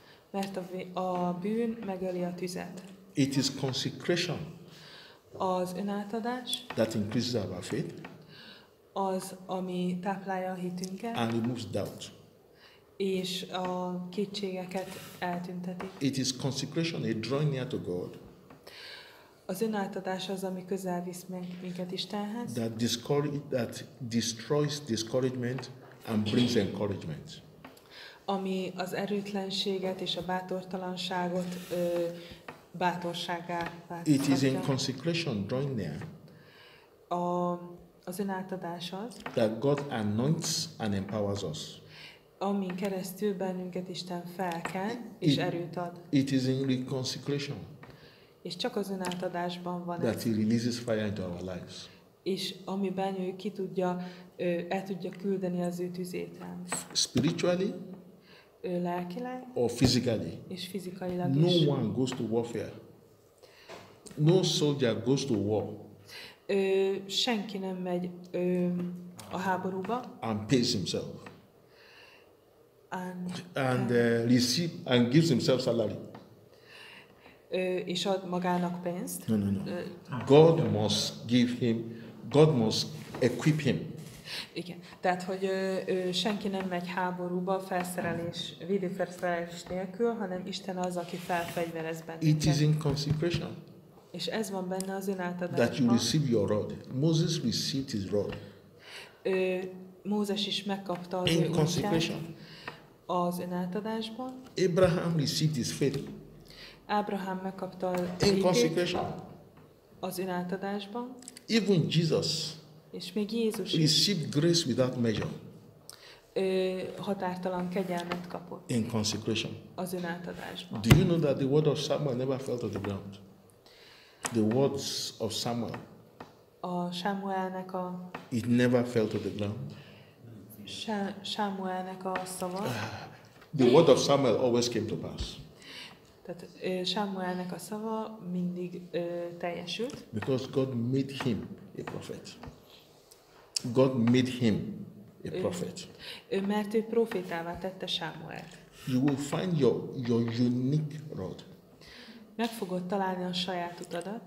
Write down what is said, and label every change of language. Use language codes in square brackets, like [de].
[hu] Mert a bűn megöli a tüzet. [en] It is consecration. [hu] Az önátadás. [en] That increases our faith. [hu] Az, ami táplálja a hitünket. [en] And removes doubt. [hu] És a kétségeket eltünteti. [en] It is consecration, a drawing near to God. [hu] Az önátadás az, ami közel visz minket Istenhez. [en] That destroys discouragement and brings encouragement. [hu] Ami az erőtlenséget és a bátortalanságot bátorsággá változtatja. [en] It is in consecration, drawing near. [hu] Az önátadás az. [en] That God anoints and empowers us. [hu] Amin keresztül bennünket Isten felkent és erőt ad. [en] It is in reconsecration. [hu] És csak az önátadásban van [en] that ez. He releases fire into our lives. [hu] És amiben ő ki tudja, el tudja küldeni az ő tüzét. [en] Spiritually? [hu] Ő lelkileg. [en] Or physically? [hu] És fizikailag no is. [en] No one goes to warfare. No soldier goes to war. [hu] Senki nem megy a háborúba. [en] And pays himself. And receive and gives himself salary. [hu] És ad magának pénzt. [en] No. God must give him, God must equip him. [hu] Igen. Tehát, hogy senki nem megy háborúba védőfelszerelés nélkül, hanem Isten az, aki felfegyverez bennünket. [en] It is in consecration. [hu] És ez van benne az önátadásban. [en] That you receive your rod. Moses received his rod. [hu] Mózes is megkapta az [en] in consecration. [hu] Az önátadásban. [en] Abraham received his faith. [hu] Abraham megkapta a [en] in consecration. [hu] Az önátadásban. [en] Even Jesus. [hu] És még Jézus is. [en] Received grace without measure. [hu] Határtalan kegyelmet kapott. [en] In consecration. [hu] Az önátadásban. [en] Do you know that the word of Samuel never fell to the ground? The words of Samuel. [hu] A Sámuelnek a. [en] It never fell to the ground. [hu] Sámuelnek a szava. [en] The word of Samuel always came to pass. [hu] Tehát Sámuelnek a szava mindig teljesült. [en] Because God made him a prophet. God made him a prophet. [hu] Mert ő profétává tette Sámuelt. [en] You will find your unique rod. [hu] Meg fogod találni a saját utadat.